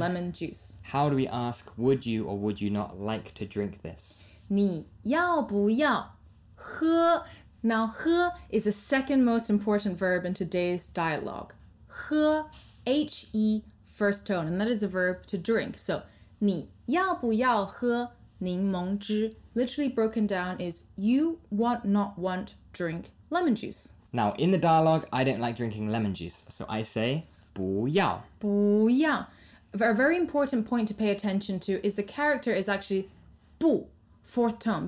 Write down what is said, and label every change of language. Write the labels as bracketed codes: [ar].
[en] lemon juice. How do we ask would you or would you not like to drink this? [zh] 你要不要喝? [en] Now 喝 is the second most important verb in today's dialogue. 喝, H-E, first tone, and that is a verb to drink. [zh] So, 你要不要喝柠檬汁? [en] Literally broken down is, you want not want drink lemon juice. Now, in the dialogue, I don't like drinking lemon juice, so I say [zh] 不要. 不要. [en] A very important point to pay attention to is the character is actually 不, fourth tone.